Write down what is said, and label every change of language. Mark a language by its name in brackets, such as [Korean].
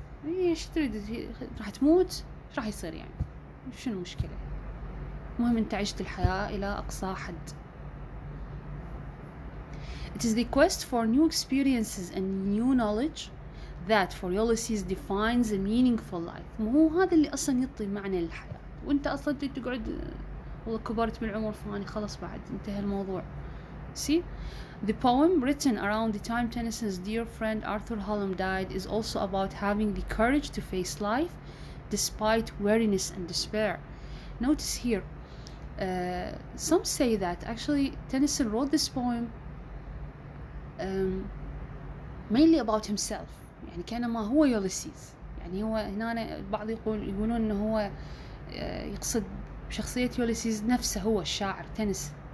[Arabic] ايش تريد راح تموت؟ ايش راح يصير يعني؟ شنو المشكلة؟ المهم انت عشت الحياة إلى أقصى حد. [English] It is the quest for new experiences and new knowledge that for Ulysses defines a meaningful life. [Arabic] مو هو هذا اللي أصلا يعطي معنى للحياة. وأنت أصلا تقعد والله كبرت بالعمر فاني خلص بعد انتهى الموضوع. [English] See, the poem written around the time Tennyson's dear friend Arthur Hallam died is also about having the courage to face life despite weariness and despair. Notice here, some say that actually Tennyson wrote this poem mainly about himself. [Arabic] يعني كأنما هو Ulysses. يعني هو هنا بعض يقولون انه هو يقصد شخصية Ulysses نفسه، هو الشاعر Tennyson.